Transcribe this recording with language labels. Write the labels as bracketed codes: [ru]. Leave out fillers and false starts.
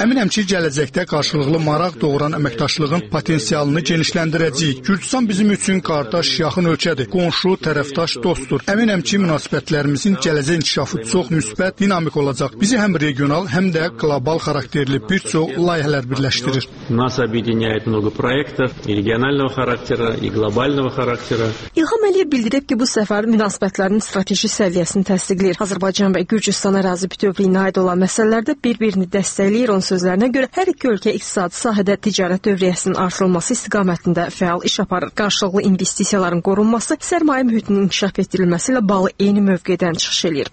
[az] Əminəm ki, gələcəkdə qarşılıqlı maraq doğuran əməkdaşlığın potensialını genişləndirəcəyik. Gürcüstan bizim üçün qardaş, yaxın ölkədir. Qonşu, tərəfdaş, dostdur. Əminəm ki, münasibətlərimizin gələcək inkişafı çox müsbət, dinamik olacaq. Bizi həm regional, həm də qlobal xarakterli bir çox layihələr birləşdirir. [ru] Nas объединяет много проектов регионального характера и глобального характера. [az] İlham Əliyev bildirib ki, bu səfər münasibətlərin strateji səviyyəsini təsdiqləyir. Azərbaycan və Gürcüstan ərazi bütövlüyünə aid olan məsələlərdə bir-birini dəstəkləyir. Onun sözlərinə görə hər iki ölkə iqtisadi sahədə ticarət dövriyyəsinin artırılması istiqamətində fəal iş aparır. Qarşılıqlı investisiyaların qorunması, sərmayə mühitinin inkişaf etdirilməsi ilə bağlı eyni mövqedən çıxış eləyir.